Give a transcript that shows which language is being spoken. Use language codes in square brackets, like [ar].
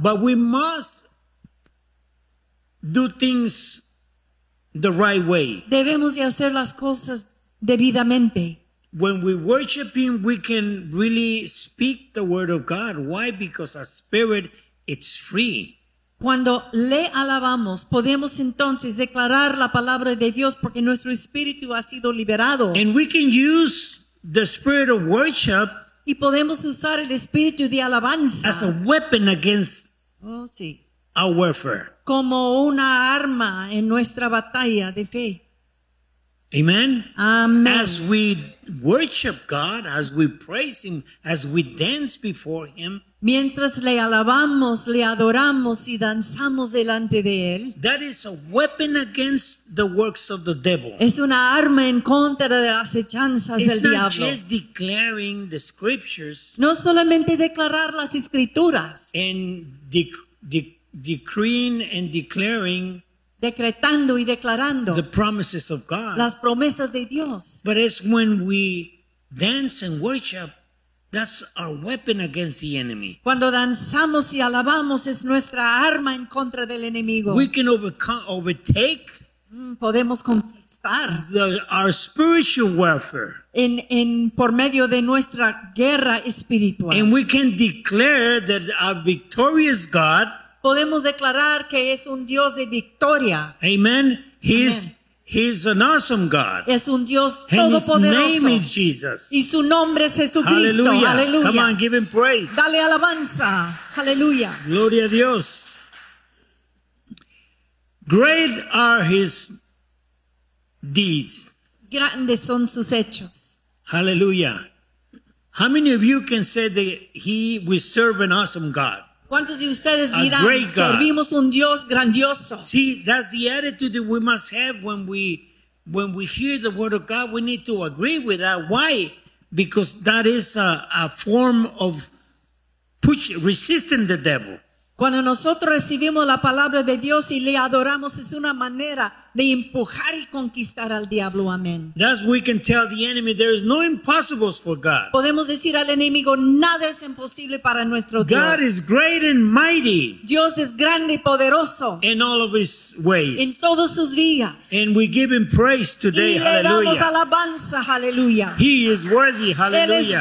[en] But we must do things the right way. [es] Debemos de hacer las cosas debidamente. [en] When we worship Him, we can really speak the word of God. Why? Because our spirit, it's free. [es] Cuando le alabamos, podemos entonces declarar la palabra de Dios porque nuestro espíritu ha sido liberado. [en] And we can use the spirit of worship. [es] Y podemos usar el espíritu de alabanza. [en] As a weapon against our warfare. [es] Como una arma en nuestra batalla de fe. [en] Amen. Amen. As we worship God, as we praise Him, as we dance before Him, [es] mientras le alabamos, le adoramos y danzamos delante de Él, [en] that is a weapon against the works of the devil. [es] Es una arma en contra de las acechanzas del diablo. [en] It's not just declaring the scriptures. [es] No solamente declarar las escrituras. [en] And decreeing and declaring. [es] Decretando y declarando [en] the promises of God. [es] Las promesas de Dios. [en] But it's when we dance and worship, that's our weapon against the enemy. [es] Cuando danzamos y alabamos es nuestra arma en contra del enemigo. [en] We can overtake [es] podemos conquistar [en] our spiritual warfare. [es] En por medio de nuestra guerra espiritual. [en] And we can declare that our victorious God. [es] Podemos declarar que es un Dios de victoria. [en] Amen. He's an awesome God. [es] Es un Dios [en] and [es] todopoderoso. [en] His name is Jesus. [es] Y su nombre es Jesucristo. Hallelujah. Hallelujah. [en] Come on, give Him praise. [es] Dale alabanza. Hallelujah. Gloria a Dios. [en] Great are His deeds. [es] Grandes son sus hechos. [en] Hallelujah. How many of you can say that we serve an awesome God? [es] ¿Cuántos de ustedes dirán, servimos un Dios grandioso? [en] See, that's the attitude that we must have when we hear the word of God. We need to agree with that. Why? Because that is a form of resisting the devil. [es] Cuando nosotros recibimos la palabra de Dios y le adoramos, es una manera de empujar y conquistar al diablo. Amén. [en] Thus we can tell the enemy there is no impossibles for God. [es] Podemos decir al enemigo, nada es imposible para nuestro Dios. [en] God is great and mighty. [es] Dios es grande y poderoso. [en] In all of his ways. [es] En todos sus vías. [en] And we give him praise today. [es] Y le damos alabanza. Hallelujah. [en] He is worthy. Hallelujah.